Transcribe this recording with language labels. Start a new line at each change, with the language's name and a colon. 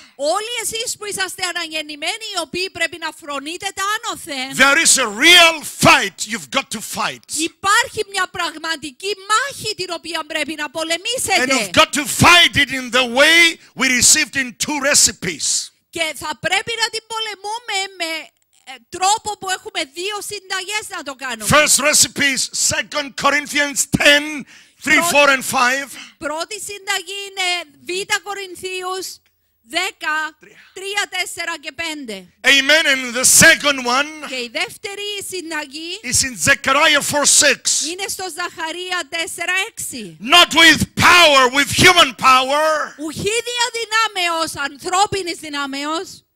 Greek: Όλοι εσείς που είσαστε αναγεννημένοι, οι οποίοι πρέπει να φρονείτε τα άνωθεν.
English: There is a real fight you've got to fight.
Greek: Υπάρχει μια πραγματική μάχη την οποία πρέπει να πολεμήσετε.
English: And you've got to fight it in the way we received in two recipes.
Greek: Και θα πρέπει να την πολεμούμε με τρόπο που έχουμε δύο συνταγές να το κάνουμε.
English: First recipe is 2 Corinthians 10. 3, 4 and 5.
Greek: Πρώτη συνταγή είναι Β' Κορινθίους 10, 3, 4 και 5.
English: Amen. And the second one.
Greek: Και η δεύτερη συνταγή
English: is in Zechariah 4, 6.
Greek: Είναι στο Ζαχαρία 4, 6.
English: Not with power, with human power.
Greek: Ουχή διαδυνάμεως, ανθρώπινης δυνάμεως.